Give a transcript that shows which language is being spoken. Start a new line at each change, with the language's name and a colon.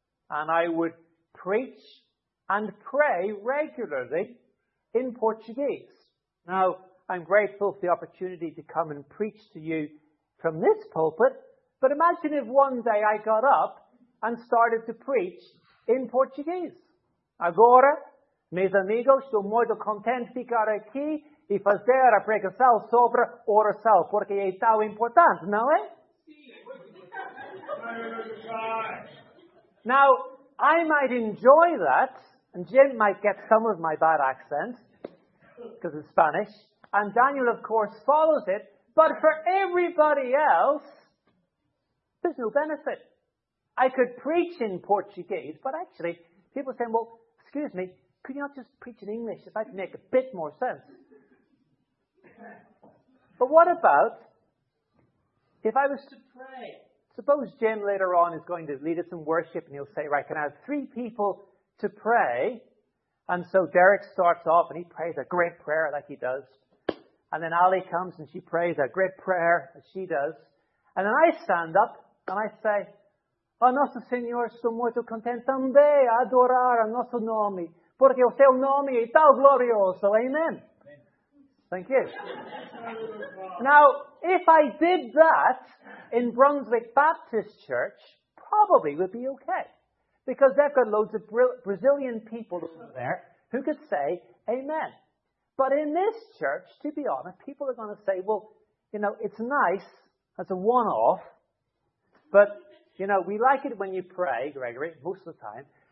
English: And I would preach and pray regularly in Portuguese. Now, I'm grateful for the opportunity to come and preach to you from this pulpit, but imagine if one day I got up and started to preach in Portuguese.
Portuguese: Agora, meus amigos, estou muito contente de ficar aqui e fazer a pregação sobre oração, porque é tão importante, não é?
English: Now, I might enjoy that, and Jim might get some of my bad accent, because it's Spanish, and Daniel, of course, follows it, but for everybody else, there's no benefit. I could preach in Portuguese, but actually, people say, well, excuse me, could you not just preach in English? It might make a bit more sense. But what about if I was to pray? Suppose Jim later on is going to lead us in worship, and he'll say, right, can I have three people to pray? And so Derek starts off, and he prays a great prayer like he does. And then Ali comes, and she prays a great prayer as she does.
Portuguese: And then I stand up, and I say, a nosso Senhor, sou muito contente também a adorar o nosso nome, porque o seu nome é tão glorioso.
English: Amen. Amen. Thank you. Now, if I did that in Brunswick Baptist Church, probably would be okay. Because they've got loads of Brazilian people over there who could say amen. But in this church, to be honest, people are going to say, well, you know, it's nice as a one-off, but, you know, we like it when you pray, Gregory, most of the time.